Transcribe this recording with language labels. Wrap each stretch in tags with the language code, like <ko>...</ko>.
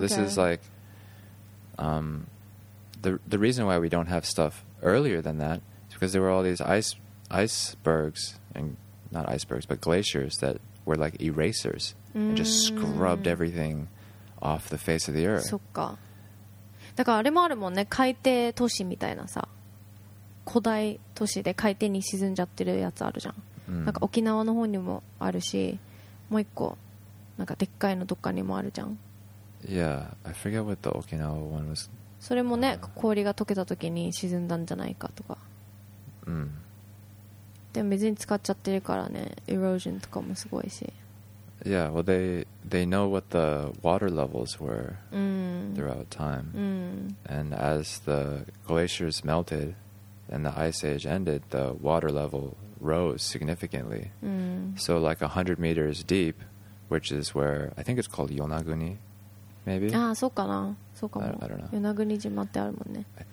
<en>this is like the reason why we don't have stuff earlier than that is because there were all these icebergs and not icebergs but glaciers that were like erasers and just scrubbed everything off the face of the earth</en> <ja>そっかだからあれもあるもんね海底都市みたいなさ古代都市で海底に沈んじゃってるやつあるじゃん、うん、なんか沖縄の方にもあるしもう一個なんかでっかいのどっかにもあるじゃん</ja> <en>Yeah, I forget what the Okinawa one was</en> <ja>それもね氷が溶けた時に沈んだんじゃないかとかうんでも水に浸かっちゃってるからね、erosion とかもすごいし。</ja> <en>Yeah, well they know what the water levels were throughout time. And as the glaciers melted and the ice age ended, the water level rose significantly. So like 100 meters deep, which is where I think it's called Yonaguni, maybe.</en> <ja>ああ、そうかな、そうかも。</ja> <en>I don't know.</en> <ja>与那国島ってあるもんね。</ja>